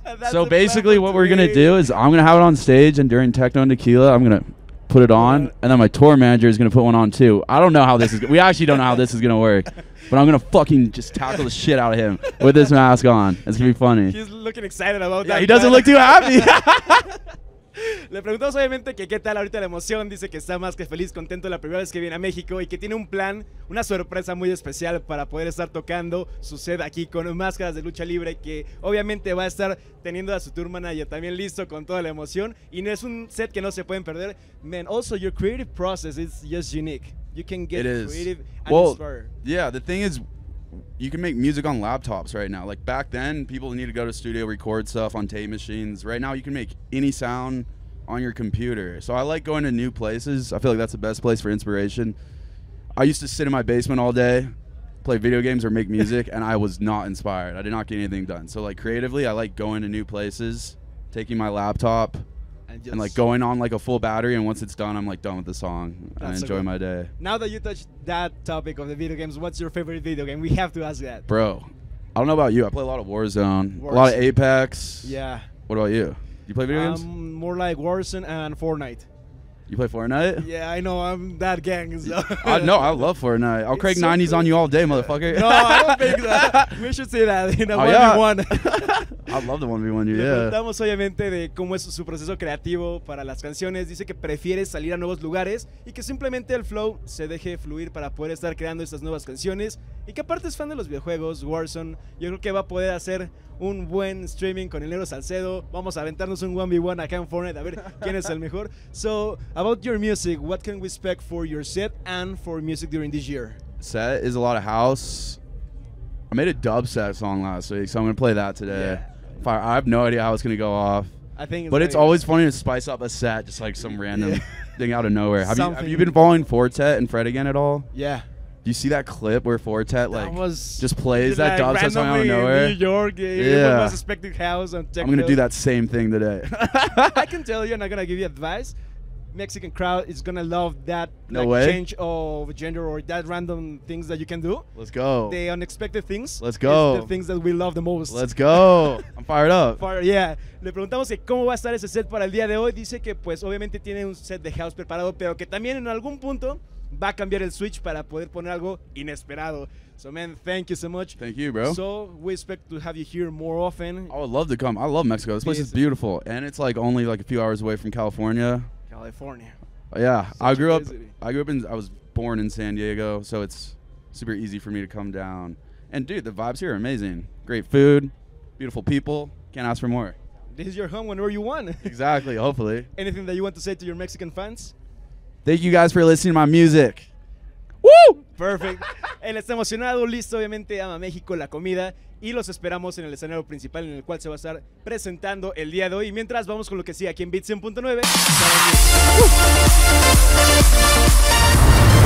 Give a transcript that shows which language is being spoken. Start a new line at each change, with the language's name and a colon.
English: So basically what we're going to do is I'm going to have it on stage, and during Techno and Tequila, I'm going to put it on, and then my tour manager is going to put one on too. I don't know how this is we actually don't know how this is going to work. But I'm going to fucking just tackle the shit out of him with this mask on. It's going to be funny. He's looking excited about that. He doesn't look too happy.
Spanish: Le preguntamos obviamente que qué tal ahorita la emoción. Dice que está más que feliz, contento la primera vez que viene a México y que tiene un plan, una sorpresa muy especial para poder estar tocando su set aquí con Máscaras de Lucha Libre, que obviamente va a estar teniendo a su tour manager también listo con toda la emoción. Y es un set que no se pueden perder.
English: Man, also your creative process is just unique. You can get creative and inspired. Yeah, the thing is, you can make music on laptops right now. Like back then, people need to go to studio, record stuff on tape machines. Right now, you can make any sound on your computer. So I like going to new places. I feel like that's the best place for inspiration. I used to sit in my basement all day, play video games or make music, and I was not inspired. I did not get anything done. So like creatively, I like going to new places, taking my laptop, and like going on like a full battery, and once it's done, I'm like done with the song. I enjoy my day. Now that you touched that topic of the video games, what's your favorite video game? We have to ask that. Bro, I don't know about you. I play a lot of Warzone. A lot of Apex. Yeah. What about you? You play video games? More like Warzone and Fortnite. You play Fortnite? Yeah, I know. I'm that gang. So. No, I love Fortnite. I'll crank 90s on you all day, motherfucker. No, I don't think that. We should say that in a 1v1. I love the 1v1, yeah.
Spanish: Le preguntamos obviamente de cómo es su proceso creativo para las canciones. Dice que prefiere salir a nuevos lugares y que simplemente el flow se deje fluir para poder estar creando estas nuevas canciones. Y que aparte es fan de los videojuegos, Warzone. Yo creo que va a poder hacer un buen streaming con el Nero Salcedo. Vamos a aventarnos un 1v1 acá en Fortnite a ver quién es el mejor.
English: So, about your music, what can we expect for your set and for music during this year? Set is a lot of house. I made a dubstep song last week, so I'm going to play that today. Yeah. Fire. I have no idea how it's going to go off. I think. But it's always funny to spice up a set, just like some random thing out of nowhere. Have you been following Fortet and Fred again at all? Yeah. Do you see that clip where Fortet like just plays that dubstep song out of nowhere? New York, yeah. Was expecting house on TikTok. I'm going to do that same thing today. I can tell you, I'm not going to give you advice. Mexican crowd is gonna love that change of gender or that random things that you can do. Let's go. The unexpected things. Let's go. The things that we love the most. Let's go. I'm fired up. Yeah.
Spanish: Le preguntamos que cómo va a estar ese set para el día de hoy. Dice que pues obviamente tiene un set de house preparado, pero que también en algún punto va a cambiar el switch para poder poner algo inesperado.
English: So man, thank you so much. Thank you, bro. So we expect to have you here more often. I would love to come. I love Mexico. This place is beautiful, and it's like only like a few hours away from California. California. Yeah, I was born in San Diego, so it's super easy for me to come down. And dude, the vibes here are amazing. Great food, beautiful people. Can't ask for more. This is your home whenever you want. Exactly, hopefully. Anything that you want to say to your Mexican fans? Thank you guys for listening to my music. Woo! Perfect.
Spanish: Él está emocionado, listo, obviamente ama México, la comida. Y los esperamos en el escenario principal en el cual se va a estar presentando el día de hoy. Mientras, vamos con lo que sigue aquí en Beat 100.9.